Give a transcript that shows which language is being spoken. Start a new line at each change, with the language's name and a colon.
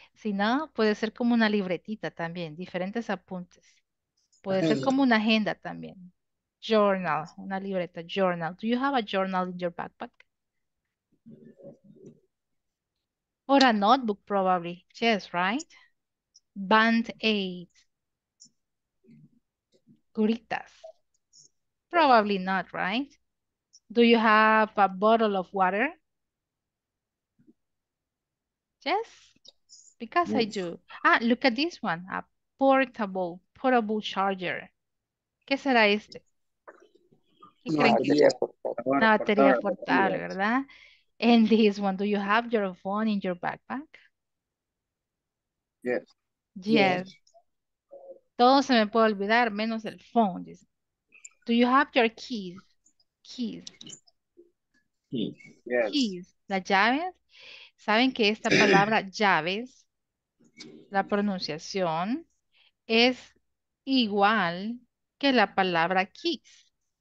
Spanish: Si no, puede ser como una libretita también, diferentes apuntes. Puede ser como una agenda también. Journal, una libreta, journal.
English: Do you have a journal in your backpack? Or a notebook, probably. Yes, right? Band-aid.
Spanish: Curitas.
English: Probably not, right? Do you have a bottle of water? Yes? Because yes. I do. Ah, look at this one. A portable charger.
Spanish: ¿Qué será este? ¿Qué creen que es? Una batería portable, ¿verdad?
English: And this one, do you have your phone in your backpack? Yes. Yes.
Spanish: Todo se me puede olvidar, menos el phone.
English: Do you have your keys? Keys. Keys. Yes. Keys.
Spanish: Las llaves. ¿Saben que esta palabra llaves, la pronunciación, es igual que la palabra keys?